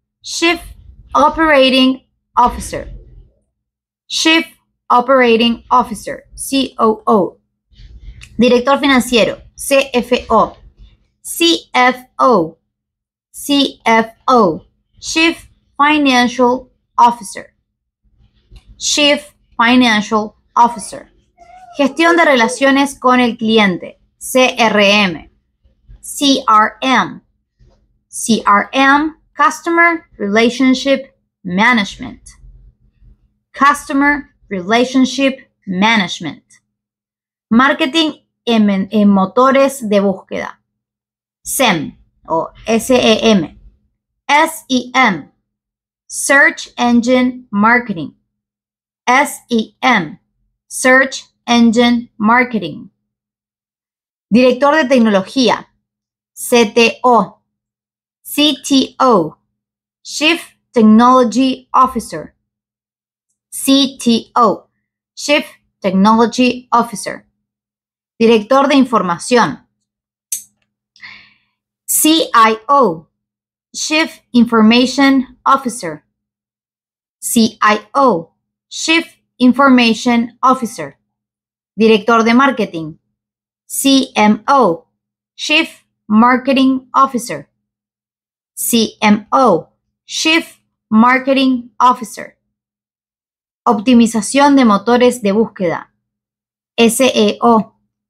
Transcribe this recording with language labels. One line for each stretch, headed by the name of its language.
English: Chief Operating Officer. Chief Operating Officer, COO.
Spanish: Director financiero, CFO. CFO, CFO.
English: Chief Financial Officer. Chief Financial Officer.
Spanish: Gestión de relaciones con el cliente, CRM.
English: CRM. CRM, Customer Relationship Management. Customer Relationship Management.
Spanish: Marketing en motores de búsqueda, SEM o SEM.
English: SEM, Search Engine Marketing. SEM, Search Engine Marketing.
Spanish: Director de tecnología, CTO.
English: CTO, Chief Technology Officer. CTO, Chief Technology Officer.
Spanish: Director de información, CIO,
English: Chief Information Officer. CIO, Chief Information Officer.
Spanish: Director de marketing, CMO,
English: Chief Marketing Officer. CMO, Chief Marketing Officer.
Spanish: Optimización de motores de búsqueda, SEO.